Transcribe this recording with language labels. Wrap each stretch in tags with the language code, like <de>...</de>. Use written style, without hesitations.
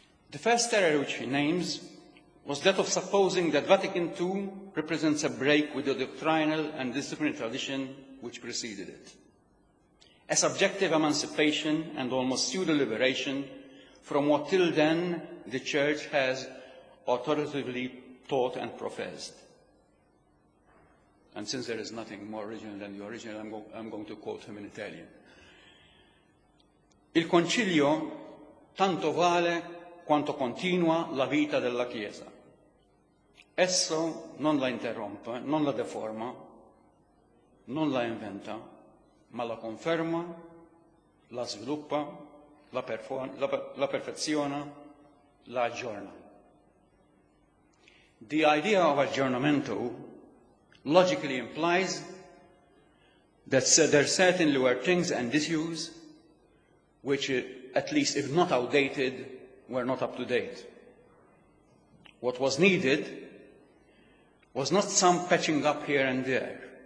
<en>The first error which he names was that of supposing that Vatican II represents a break with the doctrinal and disciplinary tradition which preceded it, a subjective emancipation and almost pseudo-liberation from what till then the Church has authoritatively taught and professed. And since there is nothing more original than the original, I'm going to quote him in Italian.</en> <it>Il concilio tanto vale quanto continua la vita della Chiesa. Esso non la interrompe, non la deforma, non la inventa, ma la conferma, la sviluppa, la perfeziona, la aggiorna.</it> <en>The idea of aggiornamento logically implies that there certainly were things and issues which, at least if not outdated, were not up to date. What was needed was not some patching up here and there.</en>